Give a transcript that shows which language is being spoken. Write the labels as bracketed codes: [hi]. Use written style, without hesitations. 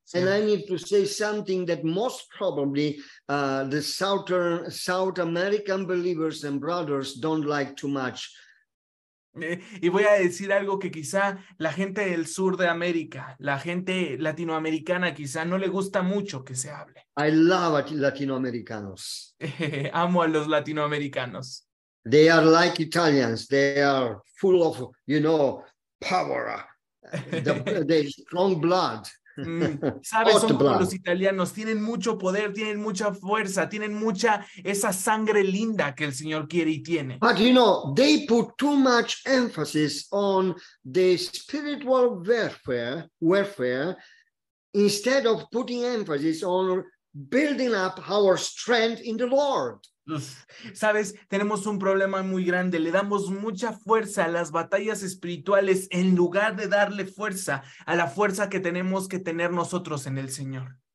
[es] ¿Sí? [en] And I need to say something that most probably the South American believers and brothers don't like too much. [es] Y voy a decir algo que quizá la gente del sur de América, la gente latinoamericana quizá no le gusta mucho que se hable. [en] I love Latinoamericanos. [es] Amo a los latinoamericanos. [en] They are like Italians. They are full of, you know, power. They strong blood. [es] ¿Sabes? Son blood. Como los italianos. Tienen mucho poder, tienen mucha fuerza, tienen mucha esa sangre linda que el Señor quiere y tiene. [en] But, you know, they put too much emphasis on the spiritual warfare instead of putting emphasis on building up our strength in the Lord. [es] Sabes, tenemos un problema muy grande. Le damos mucha fuerza a las batallas espirituales en lugar de darle fuerza a la fuerza que tenemos que tener nosotros en el Señor.